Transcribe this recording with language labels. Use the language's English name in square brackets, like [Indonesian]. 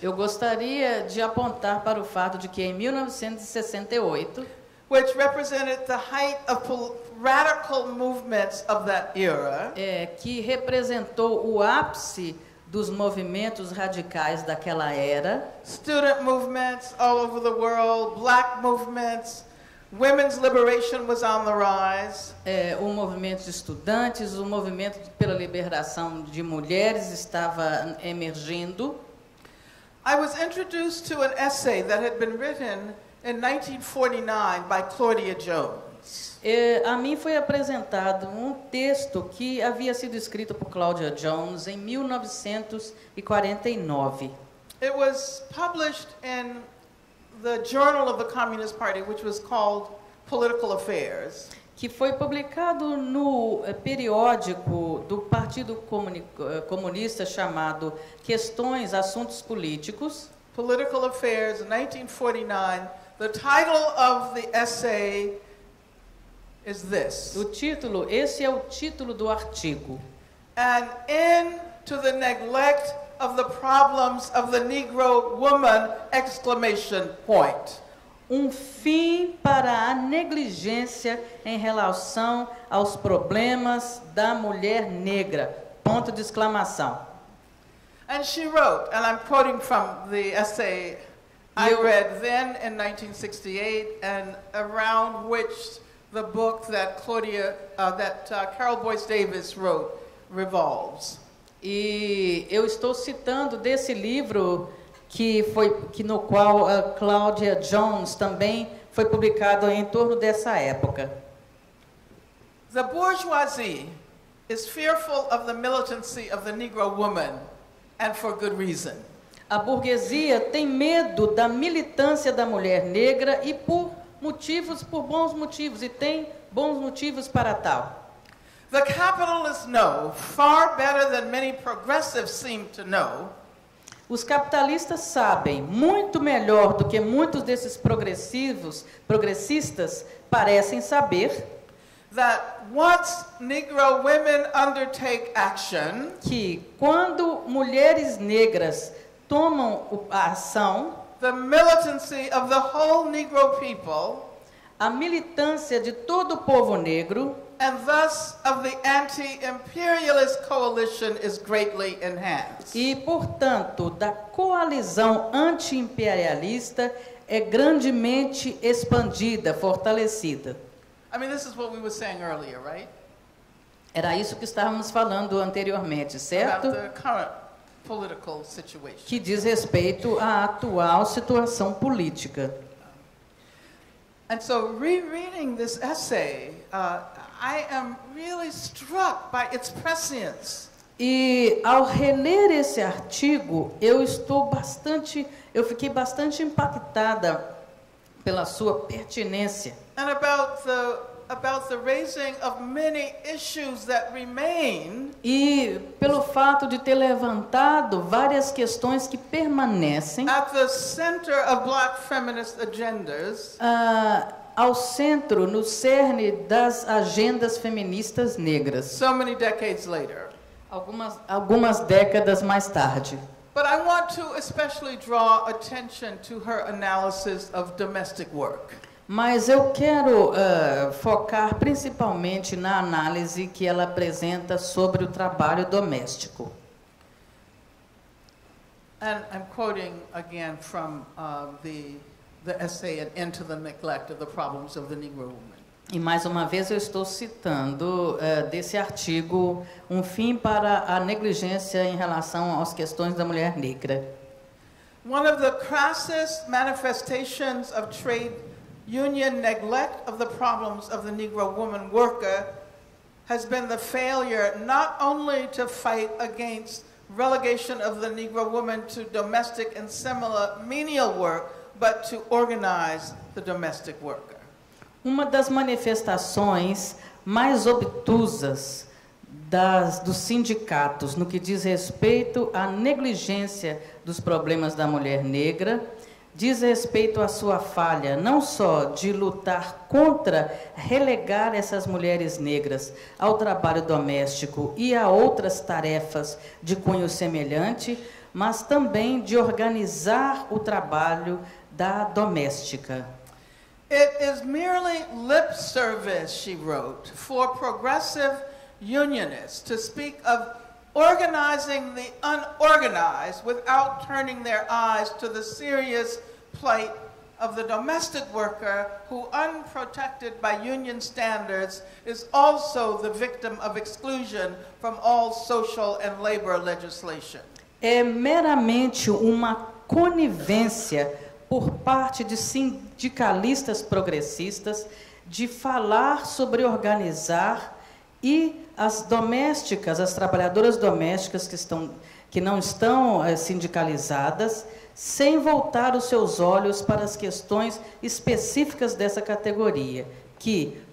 [Portuguese] eu gostaria de apontar para o fato de que em 1968, [English] which represented the height of radical movements of that era, [Portuguese] que representou o ápice dos movimentos radicais daquela era. [English] Student movements all over the world, black movements, women's liberation was on the rise. [Portuguese] O movimento de estudantes, o movimento pela liberação de mulheres estava emergindo. [English] I was introduced to an essay that had been written in 1949 by Claudia Jones. [Portuguese] A mim foi apresentado um texto que havia sido escrito por Claudia Jones em 1949. [English] It was published in the Journal of the Communist Party, which was called Political Affairs. [Portuguese] que foi publicado no periódico do Partido Comunista chamado Questões, Assuntos Políticos. [English] Political Affairs, 1949. The title of the essay is this. [Portuguese] O título, esse é o título do artigo. [English] An end to the neglect of the problems of the Negro woman! Exclamation point. [Portuguese] Um fim para a negligência em relação aos problemas da mulher negra. Ponto de exclamação. [English] And she wrote, and I'm quoting from the essay I read then in 1968, and around which the book that Claudia, Carol Boyce Davis wrote revolves. [Portuguese] E eu estou citando desse livro que foi, que no qual a Claudia Jones também foi publicado em torno dessa época. [English] The bourgeoisie is fearful of the militancy of the Negro woman, and for good reason. [Portuguese] A burguesia tem medo da militância da mulher negra e por motivos, por bons motivos, e tem bons motivos para tal. [English] The capitalists know far better than many progressives seem to know. [Portuguese] Os capitalistas sabem muito melhor do que muitos desses progressivos, progressistas parecem saber. [English] That once Negro women undertake action, [Portuguese] que quando mulheres negras tomam a ação, [English] the militancy of the whole Negro people, [Portuguese] a militância de todo o povo negro, [English] and thus of the anti-imperialist coalition is greatly enhanced. [Portuguese] E, portanto, da coalizão anti-imperialista é grandemente expandida, fortalecida. [English] I mean, this is what we were saying earlier, right? [Portuguese] Era isso que estávamos falando anteriormente, certo? [English] About the current political situation. [Portuguese] Que diz respeito à atual situação política. [English] And so, rereading this essay, I am really struck by its prescience. [Portuguese] E ao reler esse artigo, eu fiquei bastante impactada pela sua pertinência. [English] And about the raising of many issues that remain. [Portuguese] E pelo fato de ter levantado várias questões que permanecem. [English] At the center of black feminist agendas. [Portuguese] Ao centro, no cerne das agendas feministas negras. [English] So many decades later. [Portuguese] Algumas décadas mais tarde. [English] But I want to especially draw attention to her analysis of domestic work. [Portuguese] Mas eu quero focar principalmente na análise que ela apresenta sobre o trabalho doméstico. [English] And I'm quoting again from the essay and into the neglect of the problems of the Negro woman. [Portuguese] E mais uma vez eu estou citando desse artigo um fim para a negligência em relação às questões da mulher negra. [English] One of the crassest manifestations of trade union neglect of the problems of the Negro woman worker has been the failure not only to fight against relegation of the Negro woman to domestic and similar menial work, but to organize the domestic worker. [Portuguese] Uma das manifestações mais obtusas dos sindicatos no que diz respeito à negligência dos problemas da mulher negra diz respeito à sua falha, não só de lutar contra relegar essas mulheres negras ao trabalho doméstico e a outras tarefas de cunho semelhante, mas também de organizar o trabalho da doméstica. [English] It is merely lip service, she wrote, for progressive unionists to speak of organizing the unorganized without turning their eyes to the serious plight of the domestic worker who, unprotected by union standards, is also the victim of exclusion from all social and labor legislation. [Portuguese] É meramente uma conivência por parte de sindicalistas progressistas de falar sobre organizar e as domésticas, as trabalhadoras domésticas que não estão sindicalizadas, sem voltar os seus olhos para as questões específicas dessa categoria, que,